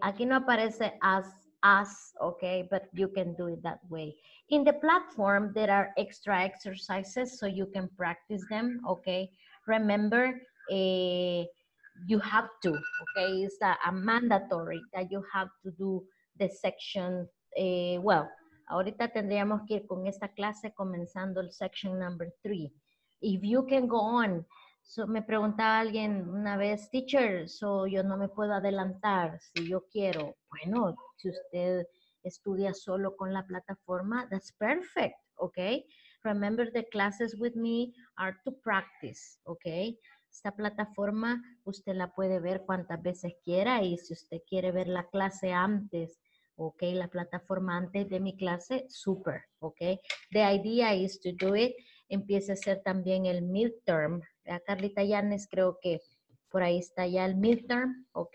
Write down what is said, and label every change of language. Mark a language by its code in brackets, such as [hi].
[es] Aquí no aparece [en] as, okay? But you can do it that way. In the platform, there are extra exercises so you can practice them, okay? Remember, you have to, okay? It's a mandatory that you have to do the section. [es] Well, ahorita tendríamos que ir con esta clase comenzando el section number 3. [en] If you can go on. [es] So me preguntaba alguien una vez, teacher, so yo no me puedo adelantar si yo quiero. Bueno, si usted estudia solo con la plataforma, [en] that's perfect, [es] okay? [en] Remember, the classes with me are to practice, okay? [es] Esta plataforma usted la puede ver cuantas veces quiera y si usted quiere ver la clase antes, okay, la plataforma antes de mi clase, super, okay? [en] The idea is to do it. [es] Empieza a ser también el [en] midterm. [es] A Carlita Yanes, creo que por ahí está ya el midterm, ok.